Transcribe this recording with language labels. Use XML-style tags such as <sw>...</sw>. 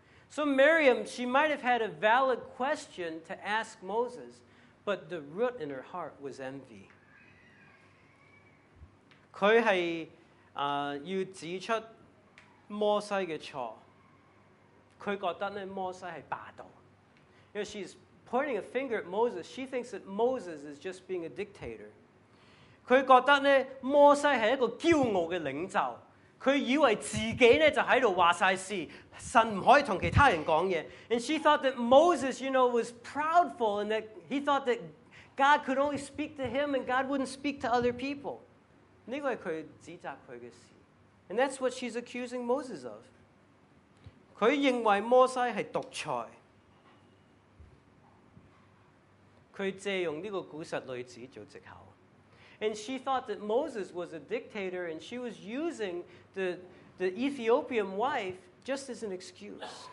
<en>So Miriam, she might have had a valid question to ask Moses, but the root in her heart was envy.</en> <zh>她是要指出摩西的错。她觉得摩西是霸道。</zh> <en>She's pointing a finger at Moses. She thinks that Moses is just being a dictator.</en> <zh>她觉得摩西是一个骄傲的领袖。他以为自己就在那里说了事,神不可以跟其他人说话。</zh> <en>And she thought that Moses, you know, was proudful and that he thought that God could only speak to him and God wouldn't speak to other people.</en> <zh>这是他指责他的事。</zh> <en>And that's what she's accusing Moses of.</en> <zh>他认为摩西是独裁。他借用这个古实例子做藉口。</zh> <en>And she thought that Moses was a dictator and she was using the Ethiopian wife just as an excuse.</en>